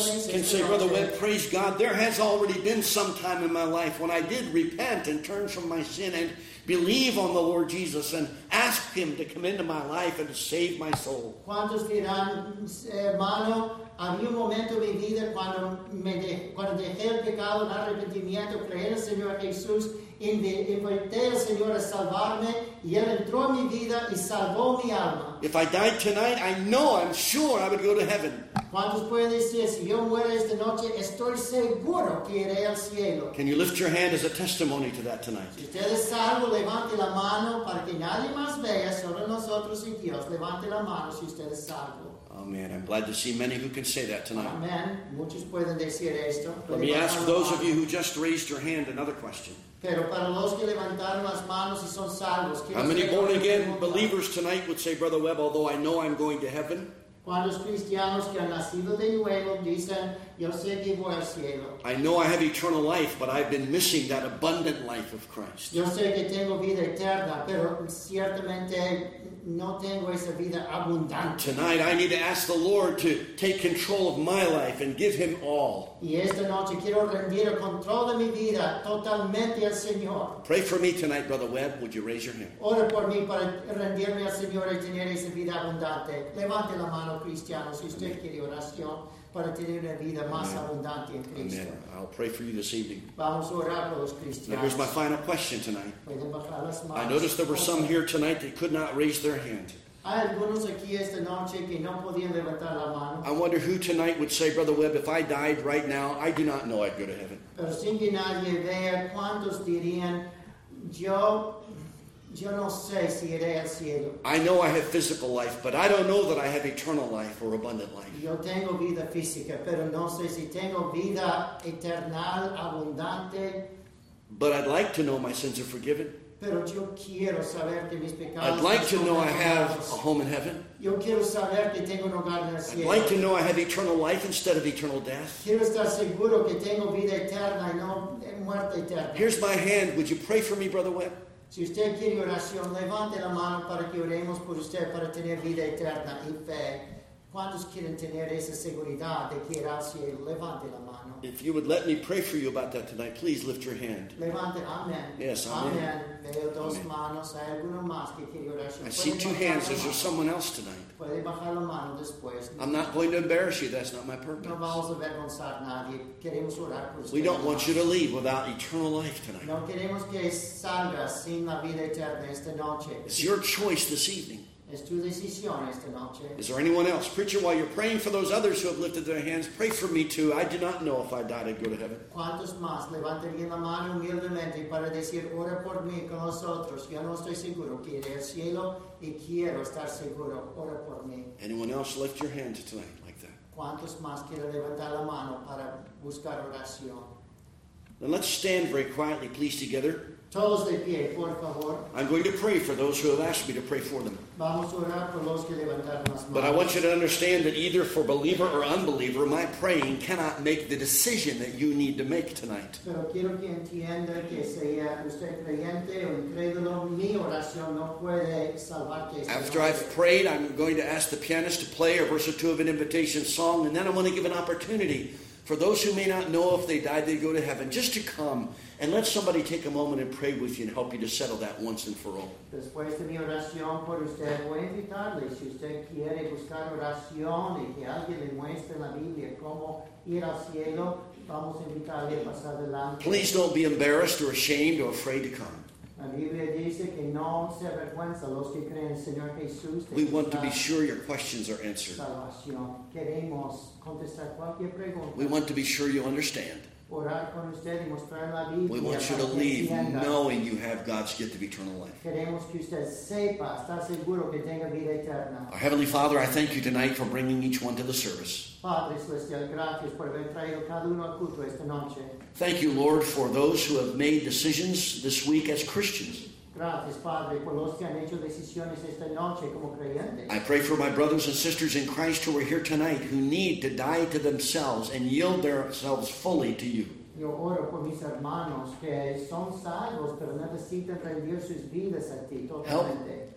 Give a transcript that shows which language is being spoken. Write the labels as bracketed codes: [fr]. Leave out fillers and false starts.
[en] Can say, Brother Webb, praise God. There has already been some time in my life when I did repent and turn from my sin and believe on the Lord Jesus and ask Him to come into my life and to save my soul. [es] ¿Cuántos dirán, hermano, había un momento en mi vida cuando dejé el pecado, el arrepentimiento, creer al Señor Jesús, invité al Señor a salvarme, y Él entró en mi vida y salvó mi alma? [en] If I died tonight, I know, I'm sure I would go to heaven. [es] ¿Cuántos pueden decir, si yo muero esta noche, estoy seguro que iré al cielo? [en] Can you lift your hand as a testimony to that tonight? [es] Si usted es salvo, levante la mano para que nadie más vea, solo nosotros y Dios. Levante la mano si usted es salvo. [en] Oh man, I'm glad to see many who can say that tonight. Amen. [es] Muchos pueden decir esto. [en] Let me ask those of you who just raised your hand another question. [es] Pero para los que levantaron las manos y son salvos, [en] how many born again believers tonight would say, Brother Webb, although I know I'm going to heaven? [es] ¿Cuántos cristianos que han nacido de nuevo dicen, yo sé que voy al cielo? [en] I know I have eternal life, but I've been missing that abundant life of Christ. [es] Yo sé que tengo vida eterna, pero ciertamente no tengo esa vida abundante. [en] Tonight I need to ask the Lord to take control of my life and give Him all. [es] Y esta noche quiero rendir el control de mi vida totalmente al Señor. [en] Pray for me tonight, Brother Webb. Would you raise your hand? [es] Ora por mí para rendirme al Señor y tener esa vida abundante. Levante la mano, cristiano, si usted quiere oración para tener una vida más abundante en Cristo. Amen. [en] I'll pray for you this evening. [es] Vamos a orar por los cristianos. [en] Now here's my final question tonight. [es] Pueden bajar las manos. [en] I noticed there were some here tonight that could not raise their hand. [es] Hay algunos aquí esta noche que no podían levantar la mano. [en] I wonder who tonight would say, Brother Webb, if I died right now, I do not know I'd go to heaven. [es] Pero sin que nadie vea, ¿cuántos dirían, yo no sé si iré al cielo? [en] I know I have physical life, but I don't know that I have eternal life or abundant life. [es] Yo tengo vida física, pero no sé si tengo vida eterna, abundante. [en] But I'd like to know my sins are forgiven. [es] Pero yo quiero saber que mis pecados, [en] I'd like to know I have a home in heaven. [es] Yo quiero saber que tengo un hogar en el cielo. [en] I'd like to know I have eternal life instead of eternal death. [es] Quiero estar seguro que tengo vida eterna y no muerte eterna. [en] Here's my hand. Would you pray for me, Brother Webb? [es] Si usted quiere oración, levante la mano para que oremos por usted para tener vida eterna y fe. ¿Cuántos quieren tener esa seguridad de que irá al cielo? Levante la mano. [en] If you would let me pray for you about that tonight, please lift your hand. [es] Levante, amen. [en] Yes, amen. [es] Amen. Veo dos manos. Hay alguno más que quiere oración. [en] I see two hands. Is there someone else tonight? [es] Puede bajar la mano después. [en] I'm not going to embarrass you. That's not my purpose. [es] No vamos a avergonzar a nadie. Queremos orar por usted. [en] We don't want you to leave without eternal life tonight. [es] No queremos que salgas sin la vida eterna esta noche. [en] It's your choice this evening. [es] Es tu decisión esta noche. [en] Is there anyone else? Preacher, while you're praying for those others who have lifted their hands, pray for me too. I do not know if I died, I'd go to heaven. [es] ¿Cuántos más levantarían la mano humildemente para decir, ora por mí con nosotros? Yo no estoy seguro que iré al cielo y quiero estar seguro. Ora por mí. [en] Anyone else lift your hand tonight like that? [es] ¿Cuántos más quieren levantar la mano para buscar oración? [en] Then let's stand very quietly, please, together. [es] Todos de pie, por favor. [en] I'm going to pray for those who have asked me to pray for them. [es] Vamos a orar por los que levantaron las manos. [en] But I want you to understand that either for believer or unbeliever, my praying cannot make the decision that you need to make tonight. [es] Pero quiero que entienda que sea usted creyente o incrédulo, mi oración no puede salvarte. [en] After I've prayed, I'm going to ask the pianist to play a verse or two of an invitation song, and then I want to give an opportunity for those who may not know if they died, they go to heaven, just to come and let somebody take a moment and pray with you and help you to settle that once and for all. [es] Después de mi oración por usted, voy a invitarle, si usted quiere buscar oración y que alguien le muestre en la Biblia cómo ir al cielo, vamos a invitarle a pasar adelante. [en] Please don't be embarrassed or ashamed or afraid to come. [es] La Biblia dice que no se avergüenza los que creen en el Señor Jesús. [en] We want to be sure your questions are answered. [es] Salvación. Queremos contestar cualquier pregunta. [en] We want to be sure you understand. [es] orar con usted y mostrar la Biblia. [en] We want you to leave knowing you have God's gift of eternal life. [es] Queremos que usted sepa, está seguro que tenga vida eterna. [en] Our Heavenly Father, I thank you tonight for bringing each one to the service. [es] Padre Celestial, gracias por haber traído cada uno al culto esta noche. [en] Thank you, Lord, for those who have made decisions this week as Christians. [es] Gracias, Padre, por los que han hecho decisiones esta noche como creyentes. [en] I pray for my brothers and sisters in Christ who are here tonight who need to die to themselves and yield themselves fully to you. [es] Yo oro por mis hermanos que son salvos pero necesitan rendir sus vidas a ti totalmente.